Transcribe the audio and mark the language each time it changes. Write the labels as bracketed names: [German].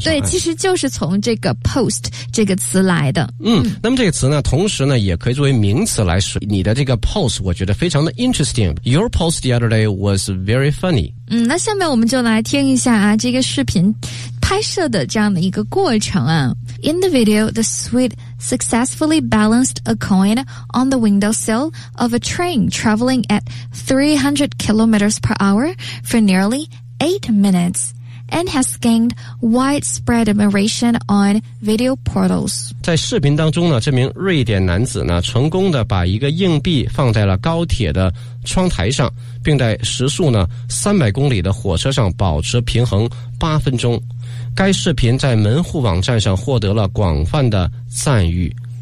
[Chinese] 对，其实就是从这个 post。这个词来的，嗯，那么这个词呢同时呢也可以作为名词来使，你的这个 post 我觉得非常的 interesting， [English] your post the other day was very funny。 [Chinese] 嗯，那下面我们就来听一下啊这个视频拍摄的这样的一个过程啊。 [English] In the video, the Swede successfully balanced a coin on the windowsill of a train traveling at 300 kilometers per hour for nearly 8 minutesand has gained widespread admiration on video portals. [Chinese] 在视频当中呢，这名瑞典男子呢，成功的把一个硬币放在了高铁的窗台上，并在时速呢300公里的火车上保持平衡8分钟。该视频在门户网站上获得了广泛的赞誉。